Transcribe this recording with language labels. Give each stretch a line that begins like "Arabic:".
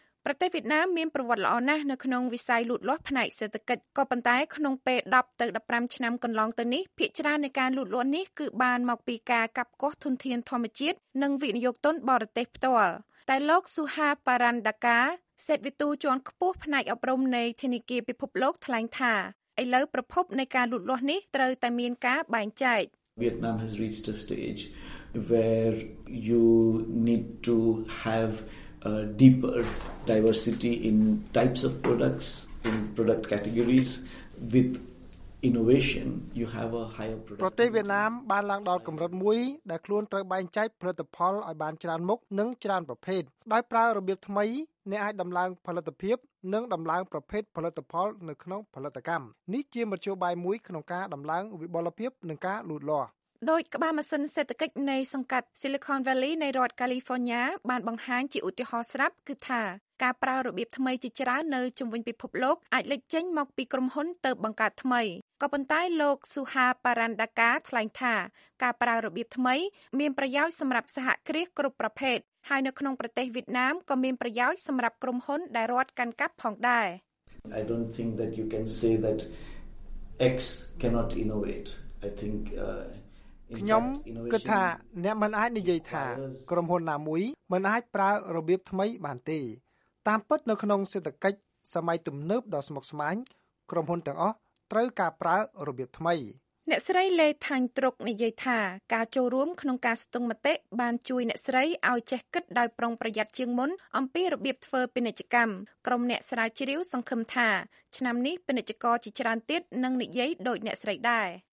Khmer: ប្រទេសវៀតណាមមានប្រវត្តិល្អណាស់នៅក្នុងវិស័យលូតលាស់ផ្នែកសេដ្ឋកិច្ចក៏ប៉ុន្តែក្នុងពេល10ទៅ15ឆ្នាំកន្លងទៅនេះភាគច្រើននៃការលូតលាស់នេះគឺបានមកពីការកាប់កាស់ធនធានធម្មជាតិនិងវិនិយោគទុនបរទេសផ្ទាល់តែលោកស៊ូហាប៉ារ៉ាន់ដាកាសេដ្ឋវិទូជាន់ខ្ពស់ផ្នែកអប់រំនៃធនាគារពិភពលោកថ្លែងថាឥឡូវប្រភពនៃការលូតលាស់នេះត្រូវតែមានការបែងចែក
English: Vietnam has reached a stage where you need to have a deeper diversity in types of products in product categories with innovation you have a higher product
Khmer: ប្រទេសវៀតណាមបានឡើងដល់កម្រិតមួយដែលខ្លួនត្រូវបែងចែកផលិតផលឲ្យបានច្រើនមុខនិងច្រើនប្រភេទដោយប្រើរបៀបថ្មីអ្នកអាចដំឡើងផលិតភាពនិងដំឡើងប្រភេទផលិតផលនៅក្នុងផលិតកម្មនេះជាមធ្យោបាយមួយក្នុងការដំឡើងវិបលភាពនិងការលូតលាស់ ដោយក្បាលម៉ាស៊ីនសេដ្ឋកិច្ចនៃសង្កាត់ Silicon Valley នៃរដ្ឋ California បានបង្ហាញជាឧទាហរណ៍ស្រាប់គឺថាការប្រើរបៀបថ្មីជាច្រើននៅជុំវិញពិភពលោកអាចលេចចេញមកពីក្រុមហ៊ុនទៅបង្កើតថ្មីក៏ប៉ុន្តែលោកស៊ូហាប៉ារ៉ាន់ដាកាថ្លែងថាការប្រើរបៀបថ្មីមានប្រយោជន៍សម្រាប់សហគ្រាសគ្រប់ប្រភេទហើយនៅក្នុងប្រទេសវៀតណាមក៏មានប្រយោជន៍សម្រាប់ក្រុមហ៊ុនដែលរត់កាន់កាប់ផងដែរ
English: I don't think that you can say that X cannot innovate I think
Khmer: ខ្ញុំគិតថាអ្នកមិនអាចនិយាយថាក្រុមហ៊ុនណាមួយមិនអាចប្រើរបៀបថ្មីបានទេតាមពិតនៅក្នុងសេដ្ឋកិច្ចសម័យទំនើបដ៏ស្មុគស្មាញក្រុមហ៊ុនទាំងអស់ត្រូវការប្រើរបៀបថ្មី អ្នកស្រីលេថាញ់ត្រុកនិយាយថាការចូលរួមក្នុងការស្ទង់មតិបានជួយអ្នកស្រីឲ្យចេះគិតដោយប្រុងប្រយ័ត្នជាងមុនអំពីរបៀបធ្វើពាណិជ្ជកម្មក្រុមអ្នកស្រាវជ្រាវសង្ឃឹមថាឆ្នាំនេះពាណិជ្ជករជាច្រើនទៀតនឹងនិយាយដូចអ្នកស្រីដែរ